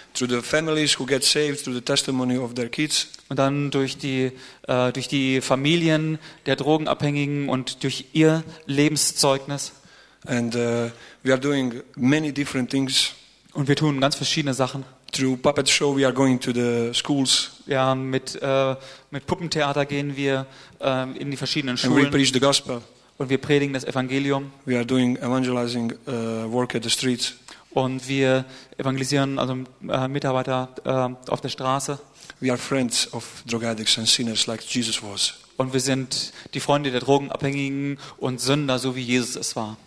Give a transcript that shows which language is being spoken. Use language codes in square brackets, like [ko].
[en] Through the families who get saved through the testimony of their kids. [de] Und dann durch die Familien der Drogenabhängigen und durch ihr Lebenszeugnis. [en] And we are doing many different things. [de] Und wir tun ganz verschiedene Sachen. [en] Through puppet show we are going to the schools. [de] Ja, mit Puppentheater gehen wir in die verschiedenen Schulen. [en] And we preach the gospel. [de] Und wir predigen das Evangelium. [en] We are doing evangelizing work at the streets. [de] Und wir evangelisieren also Mitarbeiter auf der Straße. [en] We are friends of drug addicts and sinners like Jesus was. [de] Und wir sind die Freunde der Drogenabhängigen und Sünder, so wie Jesus es war.